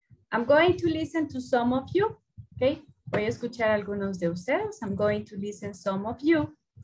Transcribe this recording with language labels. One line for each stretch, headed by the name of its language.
English: I'm going to listen to some of you.
Spanish: Okay, voy a escuchar a algunos de ustedes.
English: I'm going to listen to some of you.